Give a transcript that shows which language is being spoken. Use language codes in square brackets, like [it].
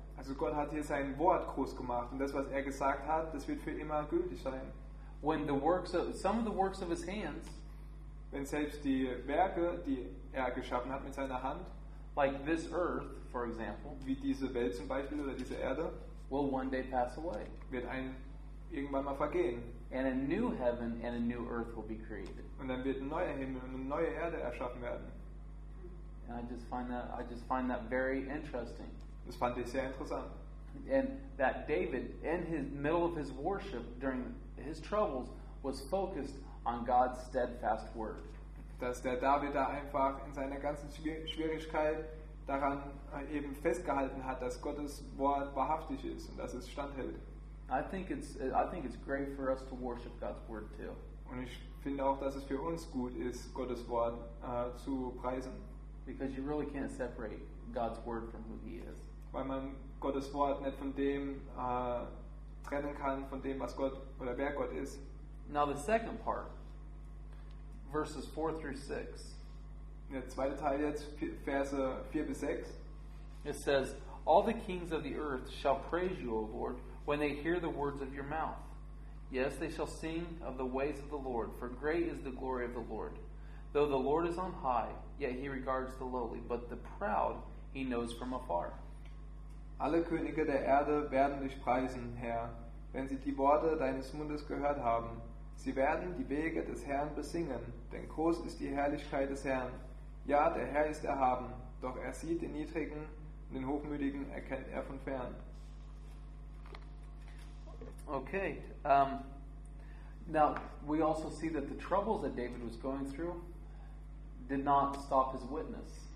[de] Also Gott hat hier sein Wort groß gemacht und das, was er gesagt hat, das wird für immer gültig sein. [en] When the works of some of the works of his hands, [de] wenn selbst die Werke, die er geschaffen hat mit seiner Hand, [en] like this earth, for example, [de] wie diese Welt zum Beispiel oder diese Erde, [en] will one day pass away. [de] Wird ein irgendwann mal vergehen. [en] And a new heaven and a new earth will be created. [de] Und dann wird ein neuer Himmel und eine neue Erde erschaffen werden. [en] And I just find that very interesting. [de] Das fand ich sehr interessant. [en] And that David, in his middle of his worship during his troubles, was focused on God's steadfast word. [de] Dass der David da einfach in seiner ganzen Schwierigkeit daran eben festgehalten hat, dass Gottes Wort wahrhaftig ist und dass es standhält. [en] I think it's great for us to worship God's word too. [de] Und ich finde auch, dass es für uns gut ist, Gottes Wort zu preisen. [en] Because you really can't separate God's word from who he is. [de] Weil man Gottes Wort nicht von dem trennen kann, von dem, was Gott oder wer Gott ist. [en] Now the second part, verses 4 through 6. [de] Der zweite Teil jetzt, Verse 4 bis 6. [en] It says, "All the kings of the earth shall praise you, O Lord, when they hear the words of your mouth. Yes, they shall sing of the ways of the Lord, for great is the glory of the Lord. Though the Lord is on high, yet he regards the lowly, but the proud he knows from afar." [de] Alle Könige der Erde werden dich preisen, Herr, wenn sie die Worte deines Mundes gehört haben. Sie werden die Wege des Herrn besingen, denn groß ist die Herrlichkeit des Herrn. Ja, der Herr ist erhaben, doch er sieht den Niedrigen, und den Hochmütigen erkennt er von fern. [en] Okay, now we also see that the troubles that David was going through did not stop his witness.